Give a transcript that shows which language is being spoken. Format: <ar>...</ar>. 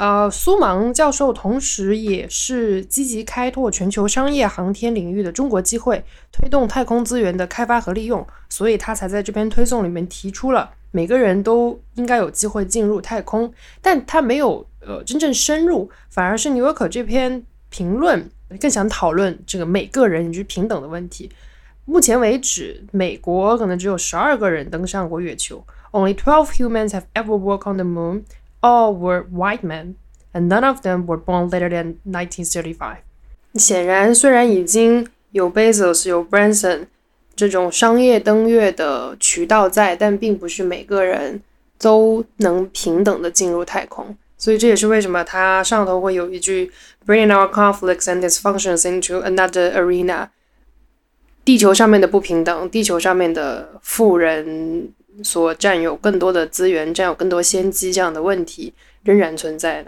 <zh>苏芒教授同时也是积极开拓全球商业航天领域的中国机会，推动太空资源的开发和利用，所以他才在这篇推送里面提出了每个人都应该有机会进入太空。但他没有真正深入，反而是纽约客这篇评论更想讨论这个每个人以及平等的问题。目前为止，美国可能只有12个人登上过月球，</zh> <en>Only 12 humans have ever walked on the moon. All were white men, and none of them were born later than 1935.</en> <zh>显然，虽然已经有 Bezos 有 Branson 这种商业登月的渠道在，但并不是每个人都能平等的进入太空。所以这也是为什么他上头会有一句</zh> <en>Bringing our conflicts and dysfunctions into another arena，</en> <zh>地球上面的不平等，地球上面的富人所占有更多的资源，占有更多先机，这样的问题仍然存在。</zh>